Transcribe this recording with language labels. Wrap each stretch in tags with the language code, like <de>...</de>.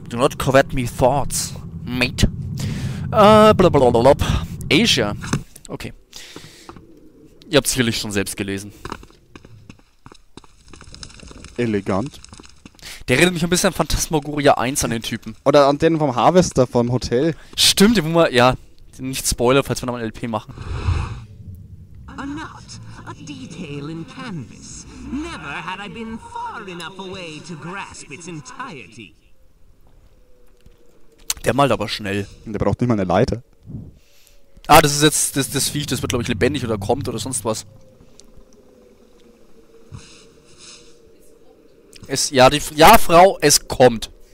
<en>Do not covet my thoughts, mate. Blablabla. Asia. Okay.</en> <de>Ihr habt sicherlich schon selbst gelesen. Elegant. Der erinnert mich ein bisschen an Phantasmagoria 1, an den Typen. Oder an den vom Harvester, vom Hotel. Stimmt, den wollen wir, ja, nicht Spoiler, falls wir nochmal ein LP machen.</de> <en>A detail in canvas. Never had I been far enough away to grasp its entirety.</en> <de>Der malt aber schnell. Der braucht nicht mal eine Leiter. Ah, das ist jetzt das Viech, das wird, glaube ich, lebendig oder kommt oder sonst was. Es, ja, die, ja, Frau, es kommt.</de>